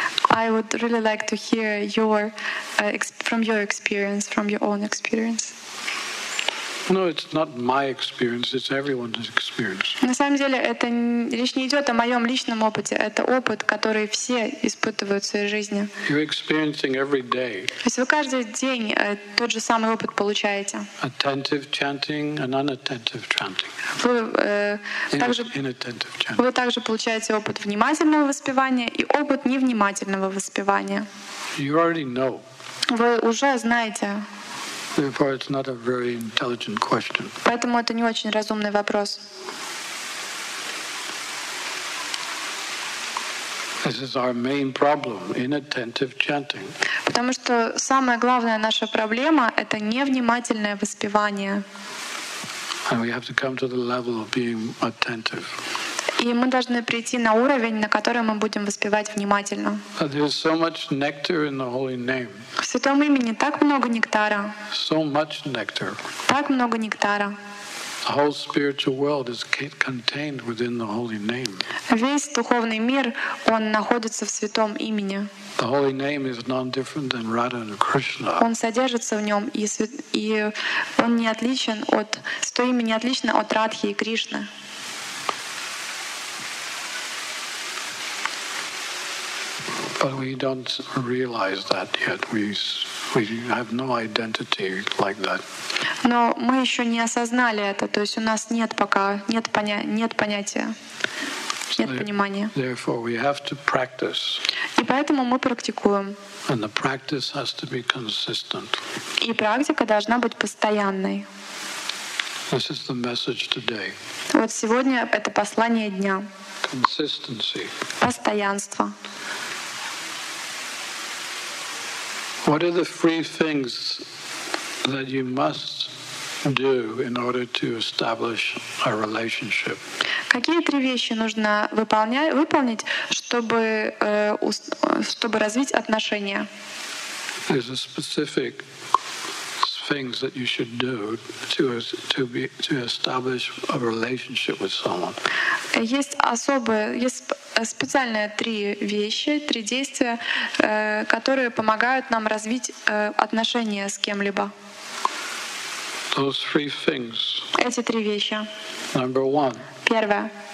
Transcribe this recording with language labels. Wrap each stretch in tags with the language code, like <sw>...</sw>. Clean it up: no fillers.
<en>I would really like to hear your from your experience, from your own experience. No, it's not my experience. It's everyone's experience.</en> <ru>На самом деле, это речь не идет о моем личном опыте. Это опыт, который все испытывают в своей жизни.</ru> <en>You're experiencing every day.</en> <ru>То есть вы каждый день тот же самый опыт получаете.</ru> <en>Attentive chanting and unattentive chanting.</en> <ru>Вы также получаете опыт внимательного воспевания и опыт невнимательного воспевания.</ru> <en>You already know.</en> <ru>Вы уже знаете.</ru> <en>Therefore, it's not a very intelligent question.</en> <ru>Поэтому это не очень разумный вопрос.</ru> <en>This is our main problem: inattentive chanting.</en> <ru>Потому что самая главная наша проблема — это невнимательное воспевание.</ru> <en>And we have to come to the level of being attentive.</en> <ru>И мы должны прийти на уровень, на который мы будем воспевать внимательно.</ru> <en>There's so much nectar in the holy name.</en> <ru>В святом имени так много нектара.</ru> <en>So much nectar.</en> <ru>Так много нектара.</ru> <en>The whole spiritual world is contained within the holy name.</en> <ru>Весь духовный мир, он находится в святом имени.</ru> <en>The holy name is none different than Radha and Krishna.</en> <ru>Он содержится в нем и он не отличен от святого имени, отлично от Радхи и Кришны.</ru> <en>But we don't realize that yet. We have no identity like that.</en> <ru>Но мы еще не осознали это. То есть у нас нет пока нет понятия, нет понимания.</ru> <en>Therefore, we have to practice.</en> <ru>И поэтому мы практикуем.</ru> <en>And the practice has to be consistent.</en> <ru>И практика должна быть постоянной.</ru> <en>This is the message today.</en> <ru>Вот сегодня это послание дня.</ru> <en>Consistency.</en> <ru>Постоянство.</ru> <en>What are the three things that you must do in order to establish a relationship?</en> <ru>Какие три вещи нужно выполнить, чтобы развить отношения?</ru> <en>There's a specific things that you should do to establish a relationship with someone.</en> <ru>Специальные три вещи, три действия, которые помогают нам развить отношения с кем-либо.</ru> <en>Those three things.</en> <ru>Эти три вещи.</ru> <en>Number one.</en> <ru>Первое.</ru>